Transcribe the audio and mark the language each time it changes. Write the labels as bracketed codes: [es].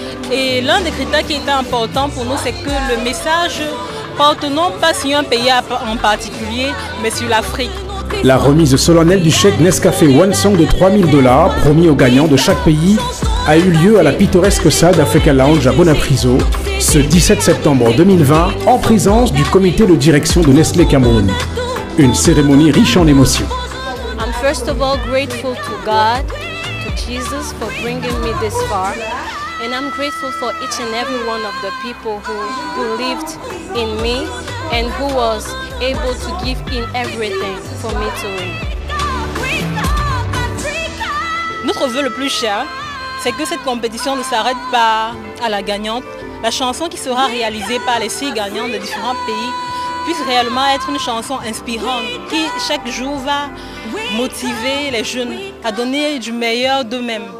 [fr] Et l'un des critères qui était important pour nous, c'est que le message porte non pas sur un pays en particulier, mais sur l'Afrique. La remise solennelle du chèque Nescafé One Song de 3 000 $ promis aux gagnants de chaque pays a eu lieu à la pittoresque salle d'Africa Lounge à Bonapriso ce 17 septembre 2020 en présence du comité de direction de Nestlé Cameroun. Une cérémonie riche en émotions. [en] I'm first of all grateful to God, to Jesus for bringing me this far, and I'm grateful for each and every one of the people who believed in me and who was able to give in everything for me to win. [fr] Notre vœu le plus cher, c'est que cette compétition ne s'arrête pas à la gagnante. La chanson qui sera réalisée par les 6 gagnants de différents pays puisse réellement être une chanson inspirante qui chaque jour va motiver les jeunes à donner du meilleur d'eux-mêmes.